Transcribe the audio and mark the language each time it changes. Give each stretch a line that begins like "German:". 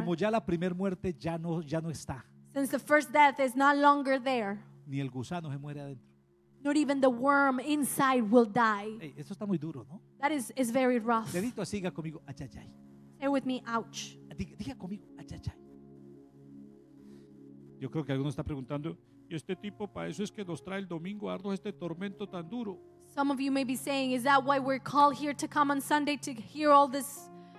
Spanish: Como ya la primer muerte ya no está.
English: Since the first death is no longer there.
Spanish: Ni el gusano se muere adentro.
English: Not even the worm inside will die.
Spanish: Hey, esto está muy duro, ¿no?
English: That is very rough.
Spanish: Dedito, siga conmigo. Ay, ay, ay.
English: Say with me, ouch.
Spanish: Diga conmigo. Ay, ay, ay. Yo creo que alguno está preguntando, y este tipo para eso es que nos trae el domingo a darnos este tormento tan duro.
English: Some of you may be saying, is that why we're called here to come on Sunday to hear all this?